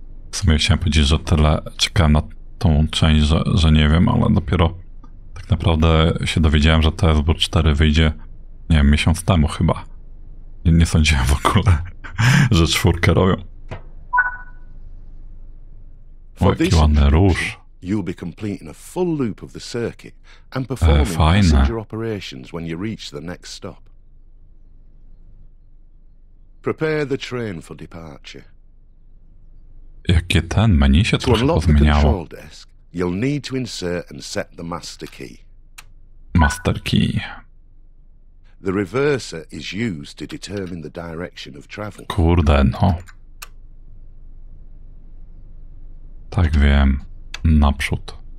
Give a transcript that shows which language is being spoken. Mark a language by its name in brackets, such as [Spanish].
[Polish] W sumie chciałem powiedzieć, że tyle czekałem na tą część, że nie wiem, ale dopiero tak naprawdę się dowiedziałem, że TSB 4 wyjdzie, nie wiem, miesiąc temu chyba. Nie sądziłem w ogóle, że czwórkę robią. O, jaki ładny róż. [English] You'll be completing a full loop of the circuit and performing passenger operations when you reach the next stop. Prepare the train for departure. [Polish] Jakie ten menu się trochę pozmieniało. [English] To unlock the control desk, you'll need to insert and set the master key. Master key. The reverser is used to determine the direction of travel. [Polish] Kurde, no. Tak wiem. Naprzód.